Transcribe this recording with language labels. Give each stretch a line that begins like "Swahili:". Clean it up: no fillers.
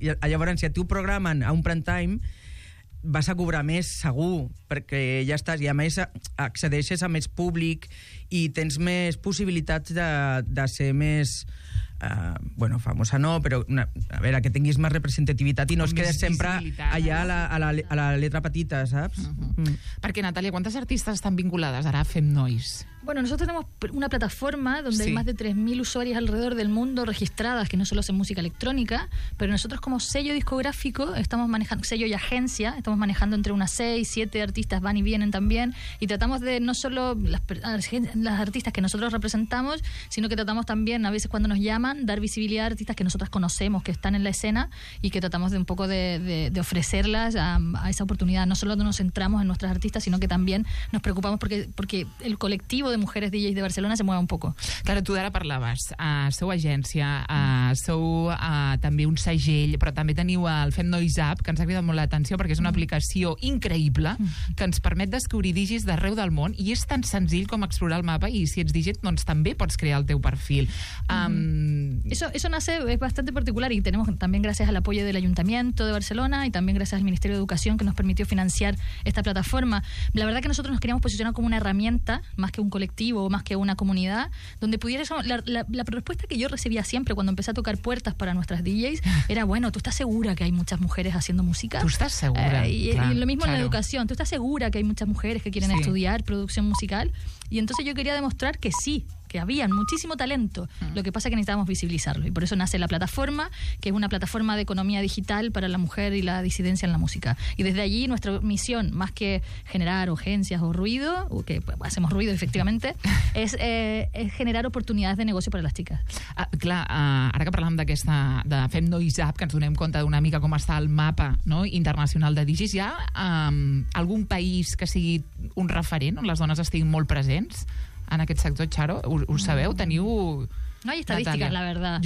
Catalan: Llavors, si a tu programen a un prime time, vas a cobrar més, segur, perquè ja estàs, i a més accedeixes a més públic i tens més possibilitats de ser més... bueno, famosa no, però a veure, que tinguis més representativitat i no es quedes sempre allà a la letra petita, saps? Uh-huh. Mm. Perquè, Natàlia, quantes artistes estan vinculades ara a Fem Nois?
Spanish: Bueno, nosotros tenemos una plataforma donde hay más de 3.000 usuarias alrededor del mundo registradas, que no solo hacen música electrónica, pero nosotros como sello discográfico estamos manejando, sello y agencia, estamos manejando entre unas 6-7 artistas, van y vienen también, y tratamos de no solo las artistas que nosotros representamos, sino que tratamos también, a veces cuando nos llaman, dar visibilidad a artistas que nosotras conocemos, que están en la escena, y que tratamos de un poco de ofrecerlas a esa oportunidad. No solo nos centramos en nuestras artistas, sino que también nos preocupamos porque el colectivo de mujeres DJs de Barcelona se mueva un poco.
Catalan: Claro, tu d'ara parlaves, sou agència, sou també un segell, però també teniu el Fem Nois App, que ens ha cridat molt l'atenció perquè és una aplicació increïble que ens permet descobrir DJs d'arreu del món i és tan senzill com explorar el mapa i si ets DJ doncs també pots crear el teu perfil.
Spanish: Eso nace, es bastante particular y tenemos también gracias al apoyo del Ayuntamiento de Barcelona y también gracias al Ministerio de Educación que nos permitió financiar esta plataforma. La verdad que nosotros nos queríamos posicionar como una herramienta, más que un colectivo, más que una comunidad, donde pudieras... La respuesta que yo recibía siempre cuando empecé a tocar puertas para nuestras DJs era, bueno, ¿tú estás segura que hay muchas mujeres haciendo música? ¿Tú estás segura? Y lo mismo claro. En la educación. ¿Tú estás segura que hay muchas mujeres que quieren estudiar producción musical? Y entonces yo quería demostrar que sí, que había muchísimo talento. Lo que pasa es que necesitábamos visibilizarlo. Y por eso nace la plataforma, que es una plataforma de economía digital para la mujer y la disidencia en la música. Y desde allí nuestra misión, más que generar urgencias o ruido, que pues, hacemos ruido efectivamente, es generar oportunidades de negocio para las chicas.
Catalan: Ara que parlàvem d'aquesta, de Fem Nois App, que ens donem compte d'una mica com està el mapa, no?, internacional de digis, hi ha algun país que sigui un referent on les dones estiguin molt presents? En aquest sector, Charo, us sabeu? Teniu... No hi ha estadístiques,
Spanish: la verdad.